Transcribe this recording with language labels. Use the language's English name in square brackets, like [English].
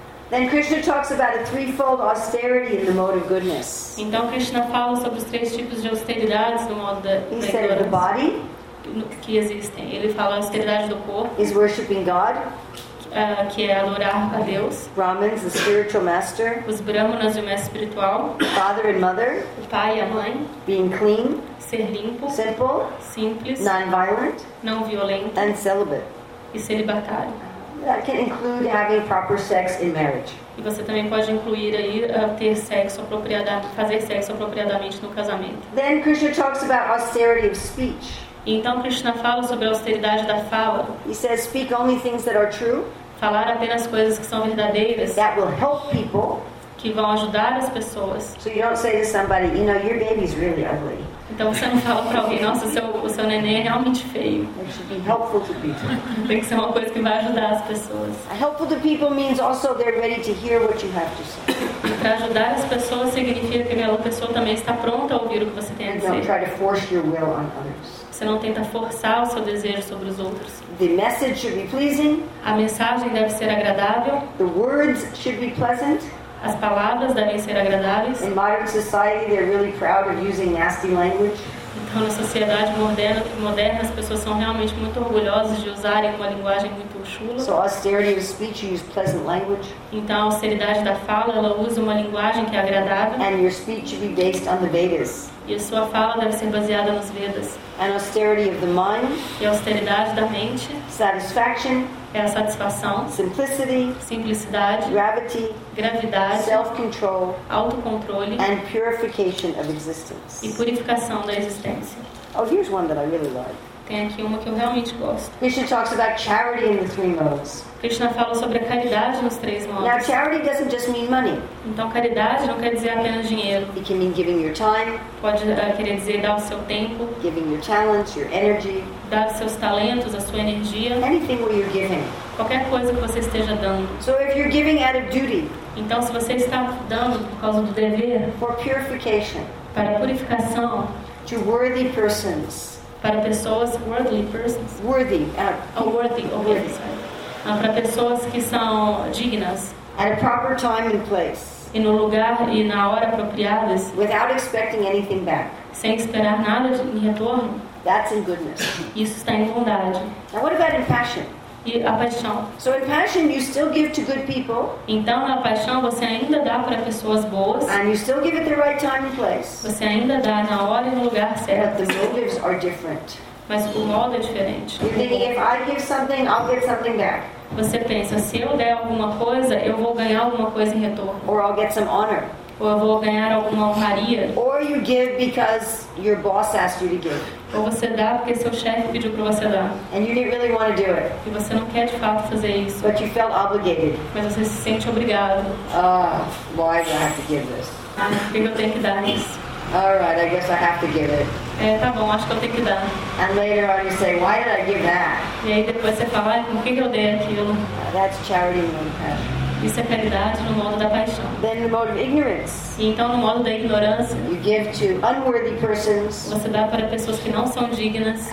[English] Then Krishna talks about a threefold austerity in the mode of goodness. [Portuguese] Então Krishna fala sobre os três tipos de austeridades no modo da ignorância. [English] Instead of the body, [Portuguese] que existem. Ele fala a austeridade do corpo. [English] Is worshiping God. [Portuguese] Que é adorar a Deus. [English] Brahmins, the spiritual master. [Portuguese] Os brahmanas, o mestre espiritual. [English] Father and mother. [Portuguese] O pai e a mãe. [English] Being clean. [Portuguese] Ser limpo. [English] Simple. [Portuguese] Simples. [English] Non-violent. [Portuguese] Não violento. [English] And celibate. [Portuguese] E celibatário. [English] That can include having proper sex in marriage. [Portuguese] E você também pode incluir aí ter sexo apropriadamente, fazer sexo apropriadamente no casamento. [English] Then Krishna talks about austerity of speech. [Portuguese] Então Krishna fala sobre a austeridade da fala. [English] He says, speak only things that are true. [Portuguese] Falar apenas coisas que são verdadeiras. [English] That will help people. [Portuguese] Que vão ajudar as pessoas. [English] So you don't say to somebody, you know, your baby's really ugly. [Portuguese] Então você não fala para alguém, nossa, o seu neném é realmente feio. [English] It should be helpful to people. [Portuguese] Tem que ser uma coisa que vai ajudar as pessoas. [English] Helpful to people means also they're ready to hear what you have to say. [Portuguese] Para ajudar as pessoas significa que aquela pessoa também está pronta a ouvir o que você tem a dizer. [English] Don't try to force your will on others. [Portuguese] Você não tenta forçar o seu desejo sobre os outros. [English] The message should be pleasing. [Portuguese] A mensagem deve ser agradável. [English] The words should be pleasant. [Portuguese] As palavras devem ser agradáveis. [English] In modern society, they're really proud of using nasty language. [Portuguese] Então, na sociedade moderna, as pessoas são realmente muito orgulhosas de usarem uma linguagem muito chula. [English] So austerity of speech, you use pleasant language. [Portuguese] Então, a austeridade da fala, ela usa uma linguagem que é agradável. [English] And your speech should be based on the Vedas. [Portuguese] E a sua fala deve ser baseada nos Vedas. [English] And austerity of the mind. [Portuguese] E a austeridade da mente. [English] Satisfaction. [Portuguese] É a satisfação. [English] Simplicity. [Portuguese] Simplicidade. [English] Gravity. [Portuguese] Gravidade. [English] Self-control. [Portuguese] Autocontrole. [English] And purification of existence. [Portuguese] E purificação da existência. [English] Oh, here's one that I really like. [Portuguese] Tem aqui uma que eu realmente gosto. [English] Krishna talks about charity in the three modes. [Portuguese] Krishna fala sobre a caridade nos três modos. [English] Now, charity doesn't just mean money. [Portuguese] Então, caridade não quer dizer apenas dinheiro. [English] It can mean giving your time. [Portuguese] Pode querer dizer dar o seu tempo. [English] Giving your talents, your energy. [Portuguese] Dar os seus talentos, a sua energia. [English] Anything what you're giving. [Portuguese] Qualquer coisa que você esteja dando. [English] So if you're giving out of duty. [Portuguese] Então, se você está dando por causa do dever. [English] For purification. [Portuguese] Para purificação. [English] To worthy persons. [Portuguese] Para pessoas [English] worthy persons. Worthy. [Portuguese] Para pessoas que são dignas. [English] At a proper time and place. [Portuguese] E no lugar e na hora apropriadas. [English] Without expecting anything back. [Portuguese] Sem esperar nada em retorno. [English] That's in goodness. [Portuguese] Isso está em bondade. [English] Now what about in passion? [Portuguese] E a paixão. [English] So in passion you still give to good people. [Portuguese] Então na paixão você ainda dá para pessoas boas. [English] And you still give at the right time and place. [Portuguese] Você ainda dá na hora e no lugar certo. [English] But the motives are different. [Portuguese] Mas o modo é diferente. [English] You're thinking, if I give something, I'll get something back. [Portuguese] Você pensa, se eu der alguma coisa, eu vou ganhar alguma coisa em retorno. [English] Or I'll get some honor. [Portuguese] Ou eu vou ganhar alguma honraria. [English] Or you give because your boss asked you to give. [Portuguese] Ou você dá porque seu chefe pediu para você dar. [English] And you didn't really want to do it. [Portuguese] E você não quer de fato fazer isso. [English] But you felt obligated. [Portuguese] Mas você se sente obrigado. [English] Why do I have to give this? [Portuguese] Por que eu tenho que dar isso? [English] All right, I guess I have to give it. [Portuguese] É, tá bom, acho que eu tenho que dar. [English] And later on you say, why did I give that? [Portuguese] E aí depois você fala, ah, por que eu dei aquilo? [English] That's charity and compassion. [Portuguese] Isso é caridade no modo da paixão. [English] Then the mode of ignorance. [Portuguese] E então no modo da ignorância. [English] You give to unworthy persons. [Portuguese] Você dá para pessoas que não são dignas.